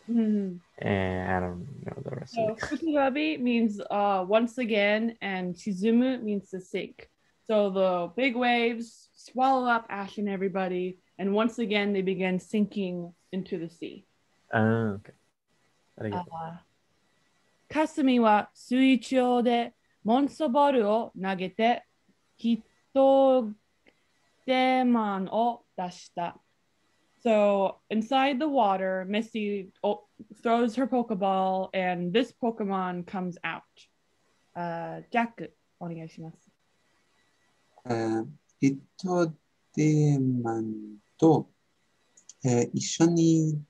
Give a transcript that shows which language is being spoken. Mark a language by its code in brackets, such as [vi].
[en] And I don't know the rest of it. Futatabi means once again, and shizumu means to sink. So the big waves swallow up Ash and everybody, and once again, they begin sinking into the sea. Okay. [ja] カスミは水中でモンストボールを投げてヒットデーマンを出した。 [en] So inside the water, Misty throws her Pokeball and this Pokemon comes out. [ja] ジャック、お願いします。ヒットデーマンと、一緒に